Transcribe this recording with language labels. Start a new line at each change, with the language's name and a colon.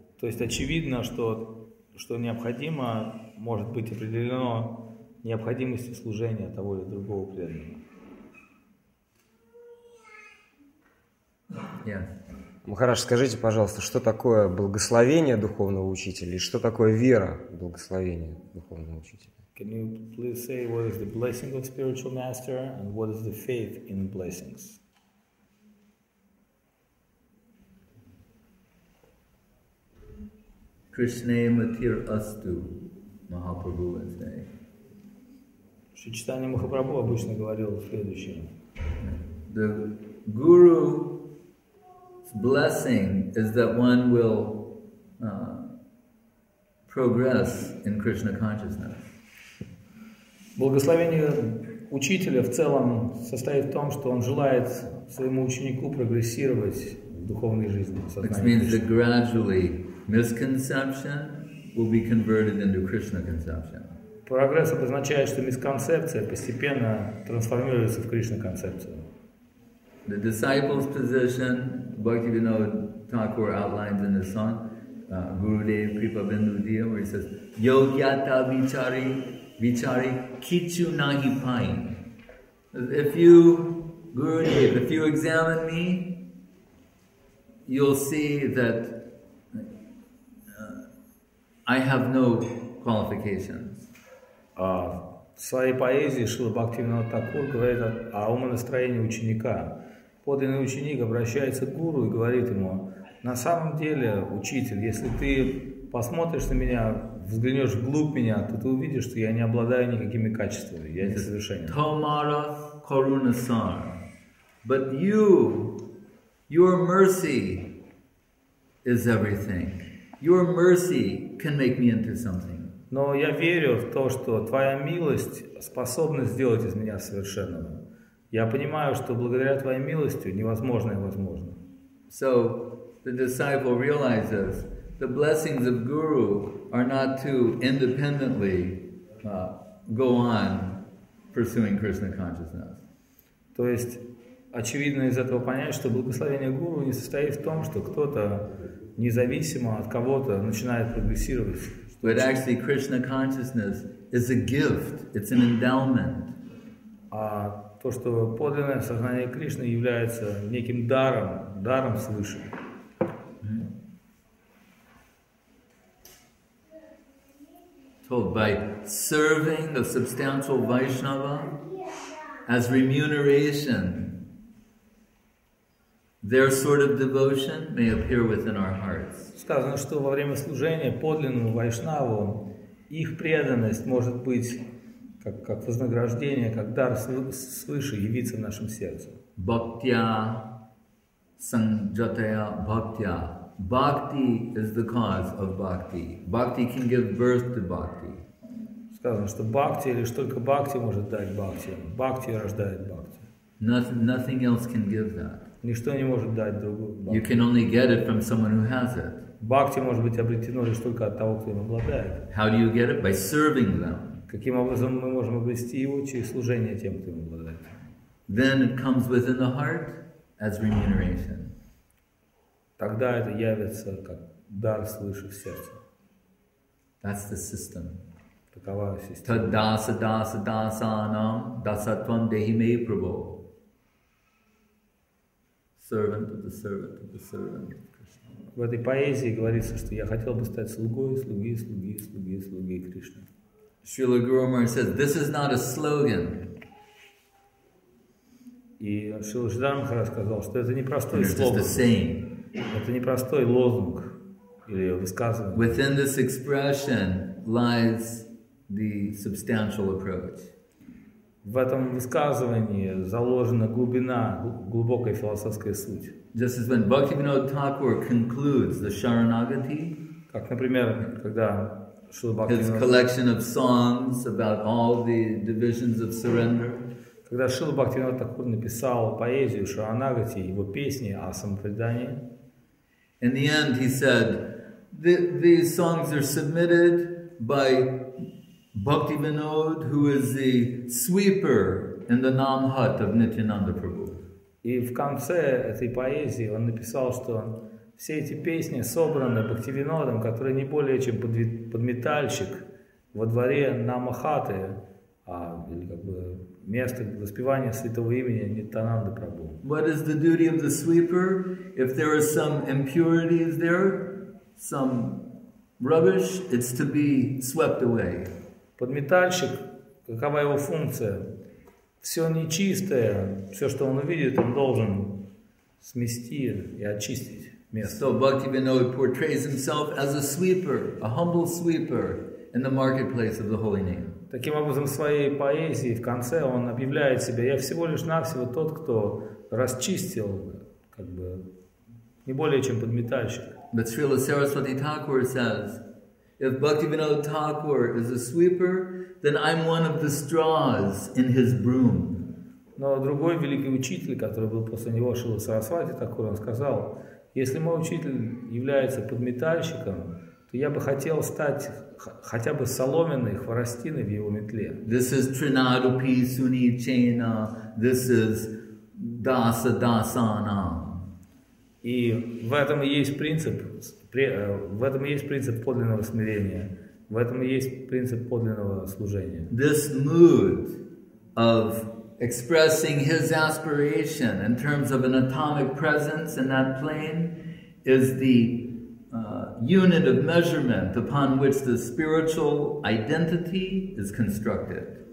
Russian: То есть очевидно, что необходимо, может быть определено необходимостью служения того или другого преданного.
English: Yeah.
Russian: Махарадж, скажите, пожалуйста, что такое благословение духовного учителя и что такое вера благословения духовного учителя?
English: Can you please say what is the blessing of spiritual master and what is the faith in blessings?
Sanskrit: Krishne Matir Astu,
English: Mahaprabhu would say.
Russian: Шри Чайтанья Махапрабху обычно говорил следующее.
English: The Guru's blessing is that one will progress in Krishna consciousness.
Russian: Благословение учителя в целом состоит в том, что он желает своему ученику прогрессировать в духовной жизни.
English: Which means that gradually misconception will be converted into Krishna conception.
Russian: Прогресс обозначает, что мисконцепция постепенно трансформируется в Кришна концепцию.
English: The disciple's position, Bhaktivinoda Thakur outlines in his song, Gurudev Kripa Bindu Diya, where he says,
Bangla: Yogyata Vichari, Vichari Kichu Nahi Pain.
English: If you, Gurudev, if you examine me, you'll see that I have no qualifications.
Russian: В своей поэзии Шрила Бхактивинода Такур говорит о умонастроении ученика. Подлинный ученик обращается к гуру и говорит ему: на самом деле, учитель, если ты посмотришь на меня, взглянешь вглубь меня, то ты увидишь, что я не обладаю никакими качествами, я несовершенен.
Bangla: Tomara Korunasar.
English: But you, your mercy is everything. Your mercy can make me into something.
Russian: Но я верю в то, что твоя милость способна сделать из меня совершенного. Я понимаю, что благодаря твоей милости невозможное возможно.
English: So the disciple realizes the blessings of guru are not to independently go on pursuing Krishna consciousness.
Russian: То есть очевидно из этого понять, что благословение гуру не состоит в том, что кто-то независимо от кого-то начинает прогрессировать.
English: But actually Krishna consciousness is a gift, it's an endowment.
Russian: А то, что подлинное сознание Кришны является неким даром, даром свыше.
English: Told by serving a substantial Vaishnava as remuneration, their sort of devotion may appear within our hearts.
Russian: Сказано, что во время служения подлинному вайшнаву их преданность может быть как вознаграждение, как дар свыше явиться в нашем сердце.
Sanskrit: Bhaktya sanjataya bhaktya.
English: Bhakti is the cause of bhakti. Bhakti can give birth to bhakti.
Russian: Сказано, что бхакти, лишь только бхакти может дать бхакти. Бхакти рождает бхакти.
English: Nothing else can give that.
Russian: Ничто не может дать другую бхакти.
English: You can only get it from someone who has it.
Russian: Бхакти может быть обретено лишь только от того, кто им обладает.
English: How do you get it? By serving them.
Russian: Каким образом мы можем обрести его? Через служение тем, кто им обладает.
English: Then it comes within the heart as remuneration.
Russian: Тогда это явится как дар свыше в сердце.
English: That's the system.
Russian: Такова система.
Sanskrit: Таддаса даса дасанам дасатвам дехиме прабо.
English: Servant of the servant of the servant.
Russian: В этой поэзии говорится, что я хотел бы стать слугой, слуги, слуги, слуги, слуги Кришны.
English: Srila Guru Maharaj says, this is not a slogan.
Russian: И Srila Sridhara Maharaj сказал, что это не простой слоган. Это не простой лозунг или высказывание.
English: Within this expression lies the substantial approach.
Russian: В этом высказывании заложена глубина, глубокая философская суть.
English: Just as when Bhaktivinoda Thakur concludes the Sharanagati,
Russian: как, например, когда
English: his collection of songs about all the divisions of surrender.
Russian: Когда Шрила Бхактивинода Тхакур написал поэзию Шаранагати, его песни о самопредании.
English: In the end, he said, these songs are submitted by Bhaktivinoda, who is the sweeper in the Namhat of Nityananda Prabhu.
Russian: И в конце этой поэзии он написал, что все эти песни собраны Бхактивинодом, который не более чем подметальщик во дворе Намахаты, или как бы место воспевания святого имени Нитянанда Прабху.
English: What is the duty of the sweeper if there is some impurities there, some rubbish? It's to be swept away.
Russian: Подметальщик, какова его функция? Все нечистое, все, что он увидит, он должен смести и очистить место.
English: So Bhaktivinoda portrays himself as a sweeper, a humble sweeper in the marketplace of the holy name.
Russian: Таким образом, в своей поэзии в конце он объявляет себя: я всего лишь навсего тот, кто расчистил, как бы, не более чем подметальщик.
English: But Srila Saraswati Thakur says, if Bhaktivinoda Thakur is a sweeper, then I'm one of the straws in his broom.
Russian: Но другой великий учитель, который был после него, Шрила Сарасвати Такур, он сказал: если мой учитель является подметальщиком, то я бы хотел стать хотя бы соломенной, хворостиной в его метле.
English: This is
Sanskrit: Trinadupi Sunichena,
English: this is
Sanskrit: Dasa Dasana.
Russian: И в этом и есть принцип, в этом и есть принцип подлинного смирения. В этом и есть принцип подлинного служения.
English: This mood of expressing his aspiration in terms of an atomic presence in that plane is the unit of measurement upon which the spiritual identity is constructed.